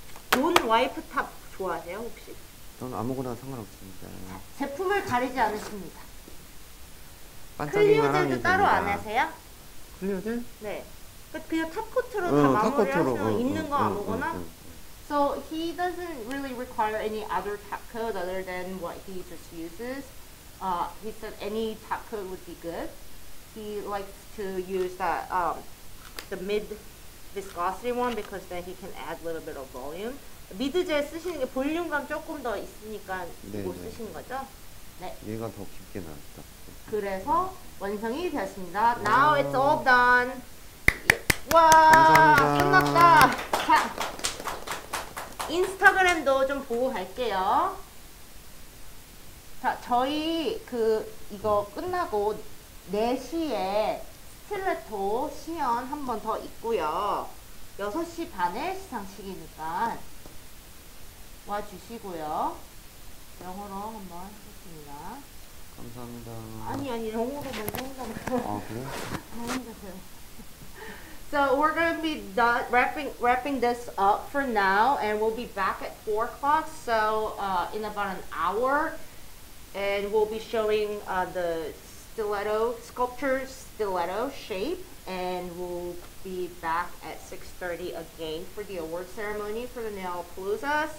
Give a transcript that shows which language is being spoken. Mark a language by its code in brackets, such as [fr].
[ko] 존 와이프탑 좋아하세요 혹시? 저는 아무거나 상관없습니다. 제품을 가리지 않으십니다. 반짝이만 하면 됩니다. 클리오젤도 따로 안 하세요? 클리오젤? 네. 그냥 탑코트로 다 마무리하시면 있는 거 아무거나. [en] So he doesn't really require any other top coat other than what he just uses. He said any top coat would be good. He likes to use that the mid viscosity one because then he can add a little bit of volume. [ko] 미드젤 쓰시는 게 볼륨감 조금 더 있으니까 이거 쓰신 거죠? 네. 얘가 더 깊게 나왔다. 그래서 완성이 되었습니다. [en] Now it's all done. [ko] 와, 감사합니다. 끝났다. 자, 인스타그램도 좀 보고 갈게요. 자, 저희 그 이거 끝나고 4시에 스틸레토 시연 한 번 더 있고요. 6시 반에 시상식이니까 와 주시고요. 영어로 한번 하겠습니다. 감사합니다. 아니, 영어로 먼저 한다고. 아, 그래요? 잘한다고요. [en] So we're going to be done wrapping this up for now, and we'll be back at 4 o'clock, so in about an hour, and we'll be showing the stiletto sculpture, stiletto shape, and we'll be back at 6:30 again for the award ceremony for the Nailpalooza.